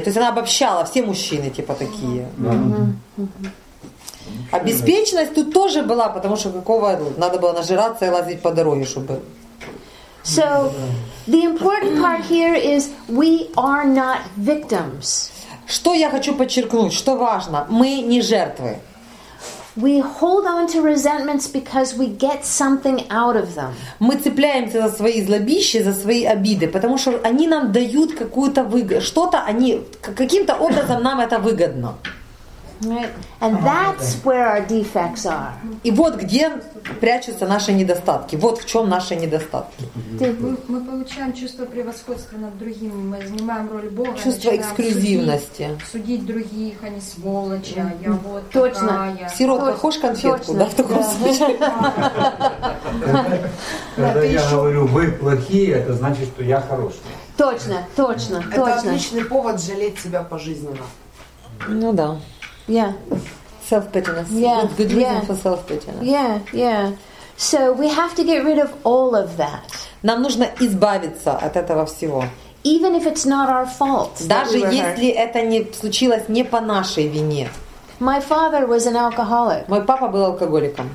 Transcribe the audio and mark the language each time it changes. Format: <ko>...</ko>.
<ru>То есть она обобщала, все мужчины типа такие. А беспечность тут тоже была, потому что какого надо было нажираться и лазить по дороге, чтобы...</ru> <en>So, the important part here is we are not victims.</en> <ru>Что я хочу подчеркнуть, что важно, мы не жертвы.</ru> <en>We hold on to resentments because we get something out of them.</en> <ru>Мы цепляемся за свои злобища, за свои обиды, потому что они нам дают какую-то выгоду, что-то они, каким-то образом нам это выгодно.</ru> <en>Right. And that's where our defects are.</en> <ru>И вот где прячутся наши недостатки. Вот в чем наши недостатки. Мы получаем чувство превосходства над другими. Мы занимаем роль Бога. Чувство эксклюзивности. Судить других, а не сволочи. А я вот точно. Такая. Сирот, похож конфетку, точно. Да, в таком случае? Когда я говорю, вы плохие, это значит, что я хороший. Точно, точно, точно. Это отличный повод жалеть себя пожизненно. Ну да.</ru> <en>Yeah. Self-pityness. Yeah. Good reason for self-pityness. Yeah, yeah. So we have to get rid of all of that.</en> <ru>Нам нужно избавиться от этого всего.</ru> <en>Even if it's not our fault.</en> <ru>Даже если это не случилось не по нашей вине.</ru> <en>My father was an alcoholic.</en> <ru>Мой папа был алкоголиком.</ru>